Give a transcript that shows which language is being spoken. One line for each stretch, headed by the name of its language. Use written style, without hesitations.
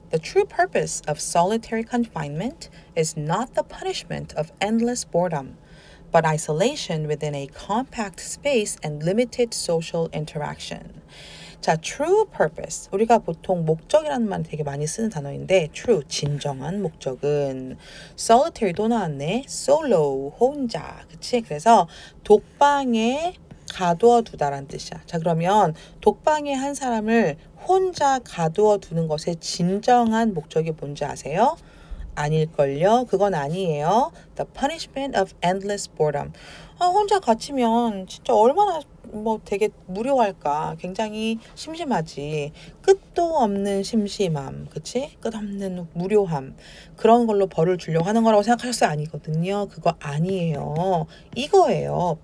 English: The true purpose of solitary confinement is not the punishment of endless boredom, but isolation within a compact space and limited social interaction. 자, true purpose.
Korean: 우리가 보통 목적이라는 말 되게 많이 쓰는 단어인데 true, 진정한 목적은 solitary 또 나왔네. solo, 혼자. 그치? 그래서 독방에 가두어두다라는 뜻이야. 자, 그러면 독방에 한 사람을 혼자 가두어두는 것의 진정한 목적이 뭔지 아세요? 아닐걸요? 그건 아니에요.
English: The punishment of endless boredom.
Korean: 아, 혼자 갇히면 진짜 얼마나 뭐 되게 무료할까. 굉장히 심심하지. 끝도 없는 심심함. 그치? 끝없는 무료함. 그런 걸로 벌을 주려고 하는 거라고 생각하셨어요? 아니거든요. 그거 아니에요. 이거예요.